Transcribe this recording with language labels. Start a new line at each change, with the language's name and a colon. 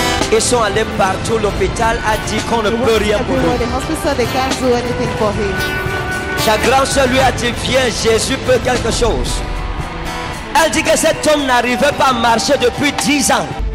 French: Ils sont allés partout, l'hôpital a dit qu'on ne peut rien pour eux.
English: The hospital, they can't do anything for him.
French: Sa grand-sœur lui a dit, viens, Jésus peut quelque chose. Elle dit que cet homme n'arrivait pas à marcher depuis 10 ans.